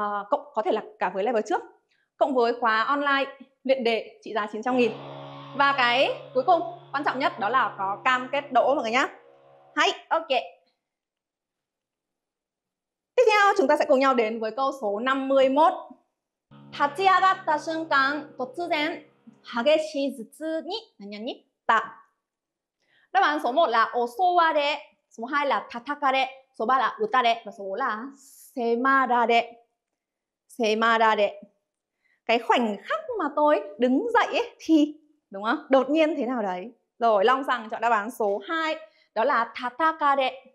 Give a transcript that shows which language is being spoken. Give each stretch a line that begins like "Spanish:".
Vietnamese: cộng có thể là cả với level trước cộng với khóa online luyện đề trị giá 900.000. Và cái cuối cùng quan trọng nhất đó là có cam kết đỗ mọi người nhá. Hay, ok. Tiếp theo chúng ta sẽ cùng nhau đến với câu số 51.
Japanese: 立ち上がった 瞬間, 突然, 激しい 頭痛に, 何々った.
Vietnamese: Đáp án số 1 là 襲われ, số 2 là 叩かれ, số 3 là 打たれ, và số 4 là 迫られ.
Japanese: 迫られ.
Vietnamese: Cái khoảnh khắc mà tôi đứng dậy ấy, thì đúng không? Đột nhiên thế nào đấy. Rồi Long Sang chọn đáp án số 2, đó là 叩かれ.